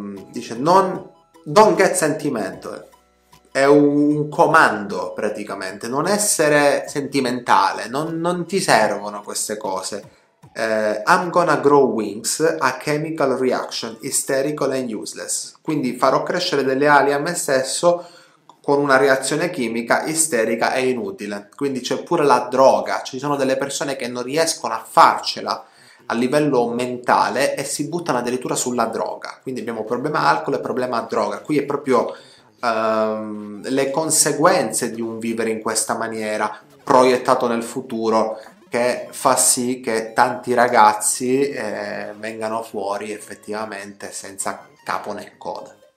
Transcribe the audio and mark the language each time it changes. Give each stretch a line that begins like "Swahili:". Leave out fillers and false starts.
Italian: Dice
English: don't get sentimental.
Italian: È un comando praticamente, non essere sentimentale, non ti servono queste cose.
English: I'm gonna grow wings, a chemical reaction, hysterical and useless.
Italian: Quindi farò crescere delle ali a me stesso con una reazione chimica isterica e inutile. Quindi c'è pure la droga, ci sono delle persone che non riescono a farcela a livello mentale e si buttano addirittura sulla droga. Quindi abbiamo problema alcol e problema droga. Qui è proprio le conseguenze di un vivere in questa maniera proiettato nel futuro che fa sì che tanti ragazzi vengano fuori effettivamente senza capo né coda.